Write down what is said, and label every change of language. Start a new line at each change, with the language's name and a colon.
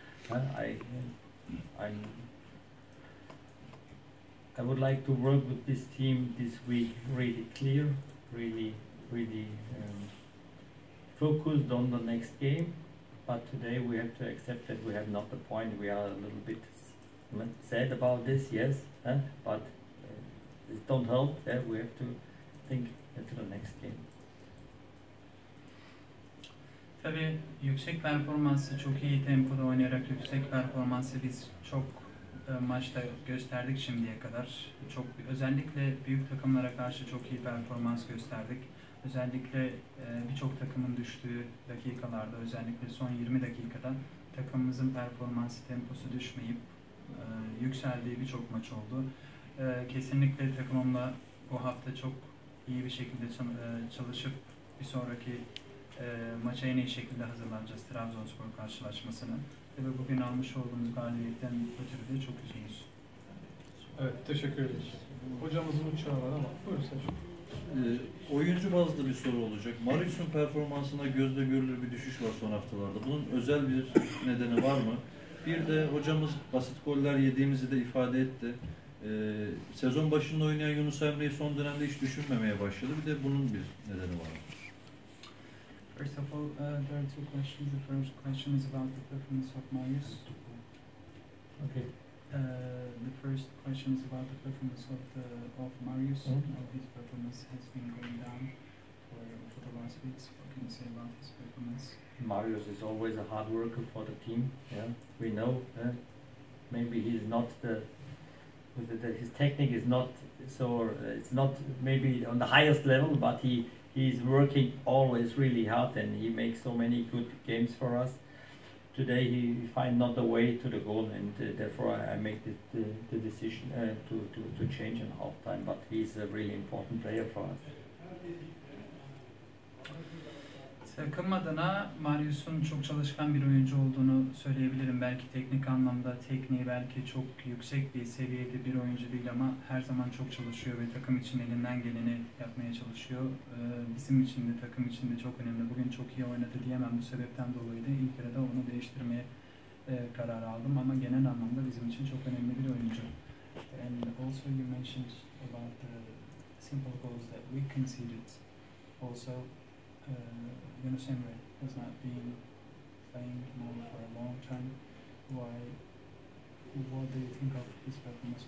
English: And I would like to work with this team this week really clear, really, really focused on the next game. But today we have to accept that we have not the point. We are a little bit sad about this, yes, but it don't help. We have to think to the next game.
Turkish: Tabii yüksek performansı, çok iyi tempoda oynayarak yüksek performansı biz çok maçta gösterdik şimdiye kadar. Çok özellikle büyük takımlara karşı çok iyi performans gösterdik. Özellikle birçok takımın düştüğü dakikalarda, özellikle son 20 dakikada takımımızın performansı, temposu düşmeyip yükseldiği birçok maç oldu. Kesinlikle takımımla bu hafta çok iyi bir şekilde çalışıp bir sonraki maça en iyi şekilde hazırlanacağız, Trabzonspor karşılaşmasını. Ve bugün almış olduğumuz galibiyetten ötürü de çok üzgünüz. Evet, teşekkür ederiz. Hocamızın uçağı var ama buyurun sen şu. Oyuncu bazlı bir soru olacak. Marius'un performansında gözle görülür bir düşüş var son haftalarda. Bunun özel bir nedeni var mı? Bir de hocamız basit goller yediğimizi de ifade etti. Sezon başında oynayan Yunus Emre'yi son dönemde hiç düşünmemeye başladı. Bir de bunun bir nedeni var.
English: First of all, there are two questions. The first question is about the performance of Marius. Okay. The first question is about the performance of Marius. Mm-hmm. His performance has been going down for the last weeks. What can you say about his performance? Marius is always a hard worker for the team. Yeah, we know. Maybe he's not the his technique is not so. It's not maybe on the highest level, but he. He's working always really hard and he makes so many good games for us. Today he find not the way to the goal and therefore I make the decision to change in half time, but he's a really important player for us.
Turkish: Takım adına Marius'un çok çalışkan bir oyuncu olduğunu söyleyebilirim. Belki teknik anlamda tekniği belki çok yüksek bir seviyede bir oyuncu değil ama her zaman çok çalışıyor ve takım için elinden geleni yapmaya çalışıyor. Bizim için de takım için de çok önemli. Bugün çok iyi oynadı diyemem bu sebepten dolayı da ilk kere de onu değiştirmeye karar aldım ama genel anlamda bizim için çok önemli bir oyuncu.
English: And also you mentioned about the simple goals that we conceded also. Yunus Emre has not been playing more for a long time. Why? What do you think of his performance?